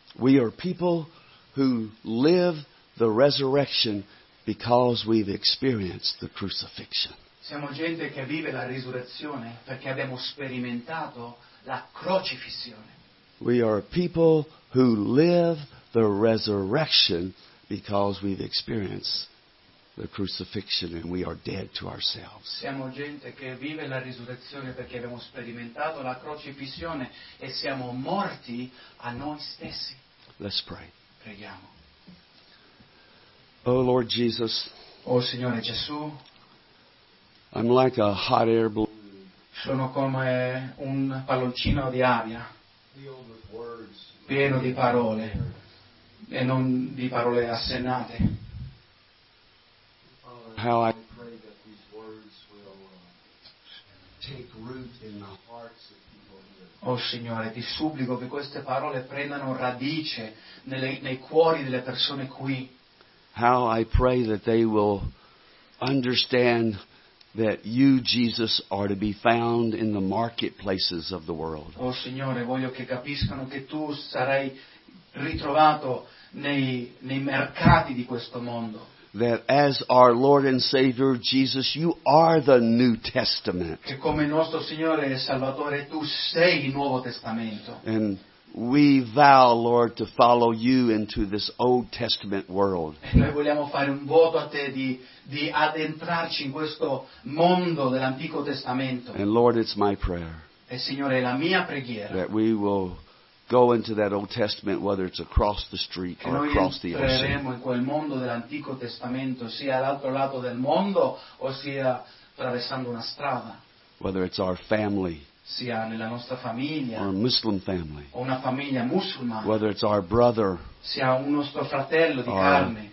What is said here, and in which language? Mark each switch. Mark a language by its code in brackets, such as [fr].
[en] We are people who live the resurrection because we've experienced the crucifixion. [it] Siamo gente che vive la risurrezione perché abbiamo sperimentato la crocifissione. [en] We are people who live the resurrection because we've experienced the crucifixion and we are dead to ourselves. [it] Siamo gente che vive la risurrezione perché abbiamo sperimentato la crocifissione e siamo morti a noi stessi. [en] Let's pray. [it] Preghiamo. [en] Oh Lord Jesus. [it] Oh Signore Gesù. [en] I'm like a hot air balloon. [it] Sono come un palloncino di aria. [en] Filled with words. [it] Pieno di parole. E non di parole assennate. [en] How I pray that these words will take root in the hearts of people here. [it] Oh Signore, ti supplico che queste parole prendano radice nei cuori delle persone qui. [en] How I pray that they will understand that you, Jesus, are to be found in the marketplaces of the world. [it] Oh Signore, voglio che capiscano che tu sarai ritrovato nei mercati di questo mondo. [en] That as our Lord and Savior Jesus, you are the New Testament. [it] Che come nostro Signore e Salvatore tu sei il Nuovo Testamento. [en] And we vow, Lord, to follow you into this Old Testament world. [it] E noi vogliamo fare un voto a te di addentrarci in questo mondo dell'Antico Testamento. [en] And Lord, it's my prayer. [it] E Signore, è la mia preghiera. [en] That we will go into that Old Testament, whether it's across the street or across the ocean. [it] Che noi entreremo in quel mondo dell'Antico Testamento, sia all'altro lato del mondo o sia attraversando una strada. [en] Whether it's our family. [it] Sia nella nostra famiglia. [en] Or a Muslim family. [it] O una famiglia musulmana. [en] Whether it's our brother. [it] Sia un nostro fratello di carne.